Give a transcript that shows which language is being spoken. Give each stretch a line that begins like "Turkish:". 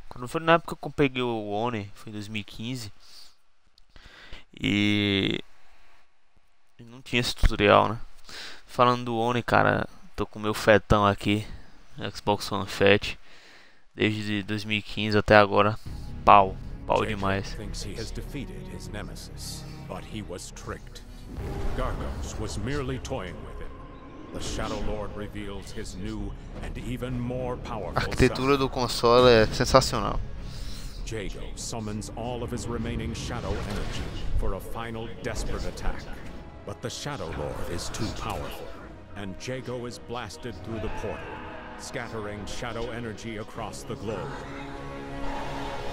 Portuguese: Quando foi na época que eu peguei o Oni, foi em 2015. E não tinha esse tutorial, né? Falando do Oni, cara, tô com meu fetão aqui, Xbox One Fat, desde 2015 até agora. Pau. Pau demais.
English: Thinks he has defeated his nemesis, but he was tricked. Gargos was merely toying with him. The Shadow Lord reveals his new and even more powerful.
Portuguese: A arquitetura do console é sensacional.
English: Jago summons all of his remaining shadow energy for a final desperate attack, but the Shadow Lord is too powerful, and Jago is blasted through the portal, scattering shadow energy across the globe. Yeah.